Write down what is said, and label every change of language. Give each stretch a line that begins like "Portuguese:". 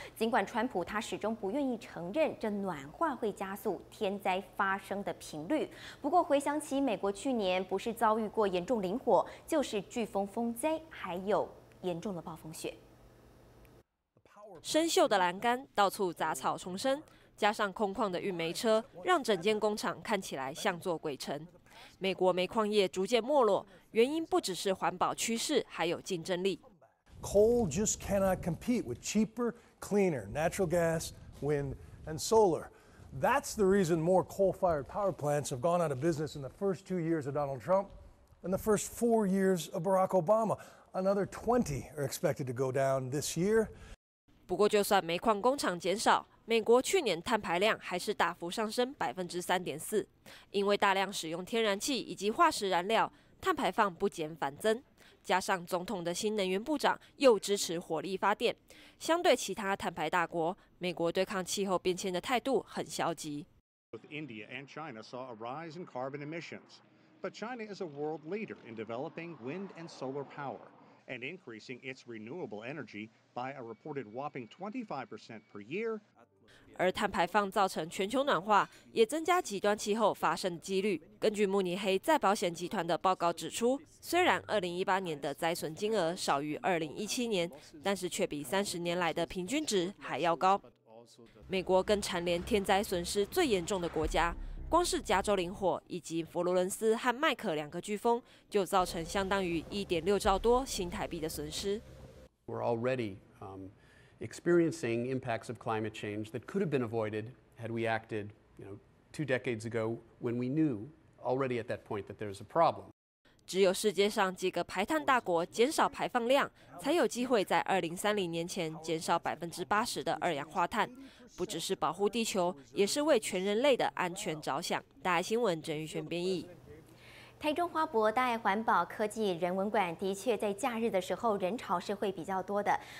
Chinese: 尽管川普他始终不愿意承认这暖化会加速天灾发生的频率，不过回想起美国去年不是遭遇过严重林火，就是飓风风灾，还有严重的暴风雪。生锈的栏杆，到处杂草丛生，加上空旷的运煤车，让整间工厂看起来像座鬼城。美国煤矿业逐渐没落，原因不只是环保趋势，还有竞争力。
English: Coal just cannot compete with cheaper, cleaner natural gas, wind, and solar. That's the reason more coal-fired power plants have gone out of business in the first 2 years of Donald Trump than the first 4 years of Barack Obama. Another 20 are expected to go down this year.
Chinese: 不过就算煤矿工厂减少，美国去年碳排量还是大幅上升 3.4%， 因为大量使用天然气以及化石燃料，碳排放不减反增。加上总统的新能源部长又支持火力发电，相对其他碳排大国，美国对抗气候变迁的态度很消极。
English: with India and China saw a rise in carbon emissions. But China is a world leader in developing wind and solar power and increasing its renewable energy by a reported whopping 25% per year.
Chinese: 而碳排放造成全球暖化，也增加极端气候发生的几率。根据慕尼黑再保险集团的报告指出，虽然2018年的灾损金额少于2017年，但是却比30年来的平均值还要高。美国更蝉联天灾损失最严重的国家，光是加州林火以及佛罗伦斯和麦克两个飓风，就造成相当于 1.6 兆多新台币的损失。
English: We're already experiencing impacts of climate change that could have been avoided had we acted, you know, two decades ago when we knew already at that point that there's a problem.
Chinese: 只有世界上几个排碳大国减少排放量，才有机会在2030年前减少80%的二氧化碳。不只是保护地球，也是为全人类的安全着想。大爱新闻郑玉轩编译。台中花博大爱环保科技人文馆的确在假日的时候人潮是会比较多的。